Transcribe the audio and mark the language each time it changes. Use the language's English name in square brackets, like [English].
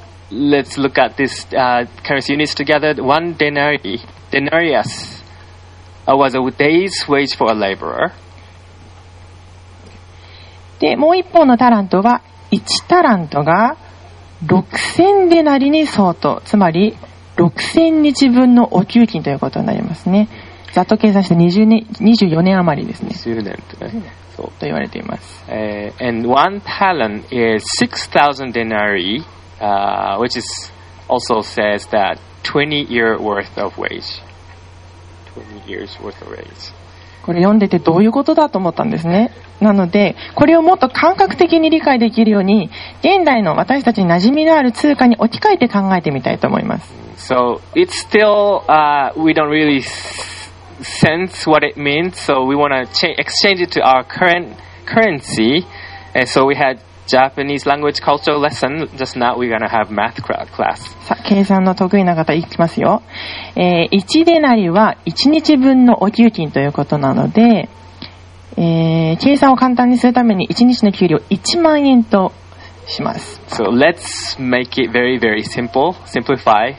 [English] let's look at this currency units together. One denarius was a day's wage for a laborer. [Japanese] で、もう一方のタラントは、1タラントが6000デナリに相当、つまり6000日分のお給金ということになりますね。ざっと計算して24年余りですね。 20年とね。そう。と言われています。 [English] And one talent is 6,000 denarii, which is also says that 20 years worth of wage. 20 years worth of wage. [Japanese] これ読んでてどういうことだと思ったんですね。なので、これをもっと感覚的に理解できるように、現代の私たちに馴染みのある通貨に置き換えて考えてみたいと思います。 [English] So, it's still, we don't really sense what it means, so we want to exchange it to our current currency. So we had Japanese language cultural lesson, just now we're going to have math class. [Japanese] さあ、計算の得意な方、いきますよ。1デナリは1日分のお給金ということなので、計算を簡単にするために1日の給料1万円とします。 [English] So let's make it very, very simple, simplify.